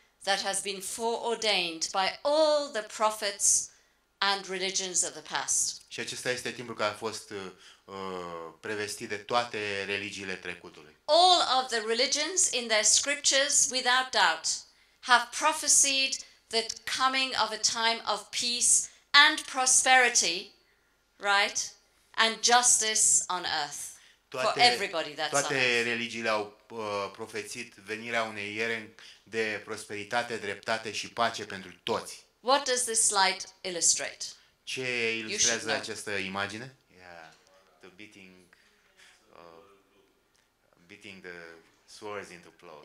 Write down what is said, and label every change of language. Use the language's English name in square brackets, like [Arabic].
[English] that has been foreordained by all the prophets and religions of the past. [Romanian] Și acesta este timpul care a fost prevestit de toate religiile trecutului. [English] All of the religions in their scriptures, without doubt, have prophesied the coming of a time of peace and prosperity, right, and justice on earth. [Romanian] Toate, [English] for everybody that's [Romanian] toate religiile au profețit venirea unei ere de prosperitate, dreptate și pace pentru toți. [English] What does this slide illustrate? [Romanian] Ce ilustrează această imagine? [English] Yeah. The beating the swords into plows.